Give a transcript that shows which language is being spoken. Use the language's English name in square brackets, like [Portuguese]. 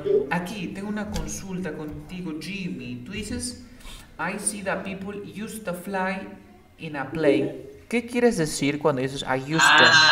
[Spanish] Aquí tengo una consulta contigo, Jimmy. Tú dices [English] I see that people used to fly in a plane. [Spanish] ¿Qué quieres decir cuando dices I used to?